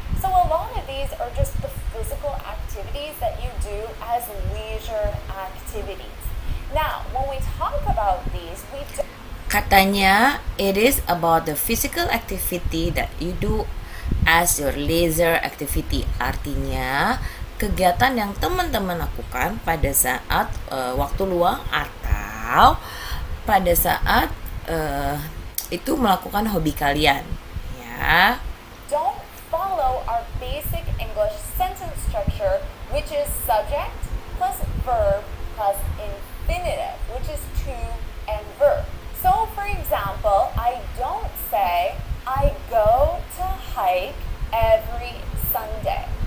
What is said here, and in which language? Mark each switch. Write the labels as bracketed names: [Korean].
[English] So a lot of these are just the physical activities that you do as leisure activities. Now, when we talk about these, we [Indonesian] katanya [English] it is about the physical activity that you do as your leisure activity. [Indonesian] Artinya kegiatan yang teman-teman lakukan pada saat waktu luang atau pada saat itu melakukan hobi kalian, ya. [English] Don't follow our basic English sentence structure, which is subject plus verb plus infinitive, which is to and verb. So for example, I don't say, I go to hike every Sunday.